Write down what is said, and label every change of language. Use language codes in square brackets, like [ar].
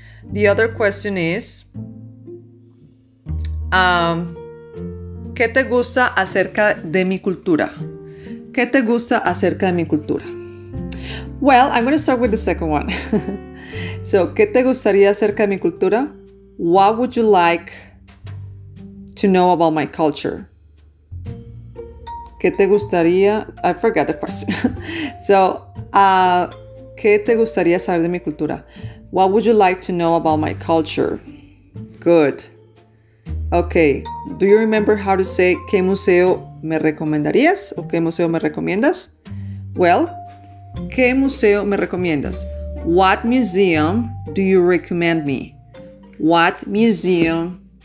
[es] The other question is, ¿qué te gusta acerca de mi cultura? ¿Qué te gusta acerca de mi cultura? [en] Well, I'm going to start with the second one. [es] So, ¿qué te gustaría acerca de mi cultura? [en] What would you like to know about my culture? ¿Qué te gustaría? I forgot the question. [es] So, ¿qué te gustaría saber de mi cultura? [en] What would you like to know about my culture? Good. Okay. Do you remember how to say ¿qué museo me recomendarías? [es] ¿O qué museo me recomiendas? Well, ¿qué museo me recomiendas? [en] What museum do you recommend me? What museum